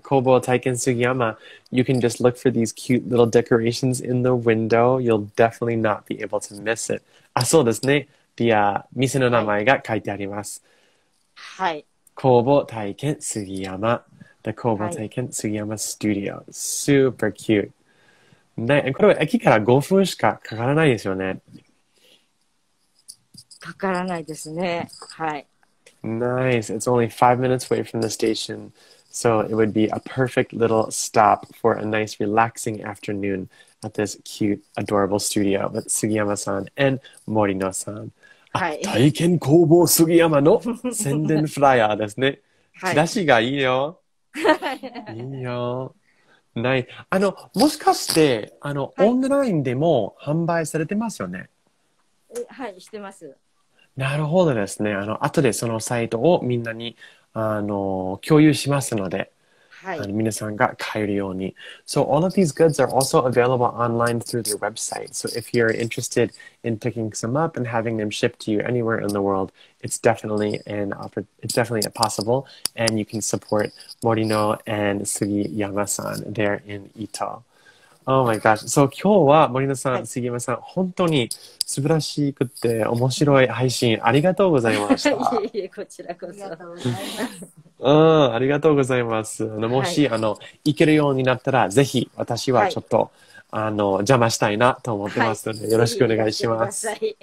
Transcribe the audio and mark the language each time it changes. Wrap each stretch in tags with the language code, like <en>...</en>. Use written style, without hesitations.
<en>工房体験杉山、you can just look for these cute little decorations in the window. You'll definitely not be able to miss it.</en> <ja>あ、そうですね。で、店の名前が書いてあります。はい。工房体験杉山。</ja> <en>The 工房体験杉山 Studio.、</en> <ja>はい、</ja> <en>Super cute.、</en> <ja>ね、これは駅から5分しかかからないですよね。かからないですね。はい。</ja> <en>Nice. It's only 5 minutes away from the station. So it would be a perfect little stop for a nice relaxing afternoon at this cute, adorable studio with 杉山さん and 森野さん。</en> <ja>はい、体験工房杉山の宣伝フライヤーですね。チラシがいいよ。いいよ。ない。あの、もしかして、あの、はい、オンラインでも販売されてますよね。はい、してます。なるほどですね。あの、後でそのサイトをみんなに、共有しますので。</ja> <en>So all of these goods are also available online through their website. So if you're interested in picking some up and having them shipped to you anywhere in the world, it's definitely an offer. It's definitely a possible, and you can support Morino and Sugiyama-san there in Ito. Oh my gosh.</en> <ja>So 今日は森野さん、杉山さん、本当に素晴らしくて面白い配信ありがとうございました。いえいえ、こちらこそ。ありがとうございます。もし、行けるようになったら、ぜひ私はちょっと、邪魔したいなと思ってますので、よろしくお願いします。</ja>